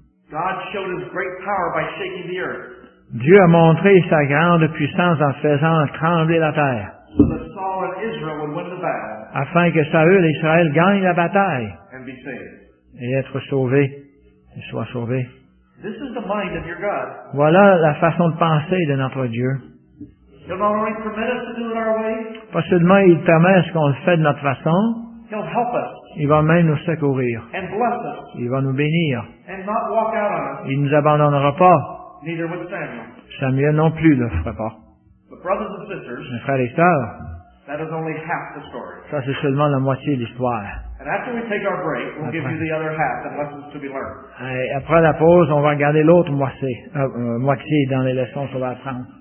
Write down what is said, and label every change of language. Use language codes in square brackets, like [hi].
[en] God showed his great power by shaking the earth. [fr] Dieu a montré sa grande puissance en faisant trembler la terre. [en] So that Saul and Israel would win the battle. [fr] Afin que Saül et Israël gagnent la bataille. [en] And be saved. [fr] Et être sauvés. Et soient sauvés. [en] This is the mind of your God. [fr] Voilà la façon de penser de notre Dieu. [en] He'll not only permit us to do it our way. [fr] Pas seulement il permet ce qu'on fait de notre façon. [en] He'll help us. [fr] Il va même nous secourir. [en] And bless us. [fr] Il va nous bénir. [en] And not walk out on us. [fr] Il ne nous abandonnera pas. [en] Neither would Samuel. [fr] Samuel non plus ne le fera pas. [en] But brothers and sisters, [fr] mes frères et sœurs, [en] that is only half the story. [fr] Ça, c'est seulement la moitié de l'histoire. [en] And after we take our break, we'll give you the other half and lessons to be learned. [fr] Et après la pause, on va regarder l'autre moitié dans les leçons qu'on va apprendre.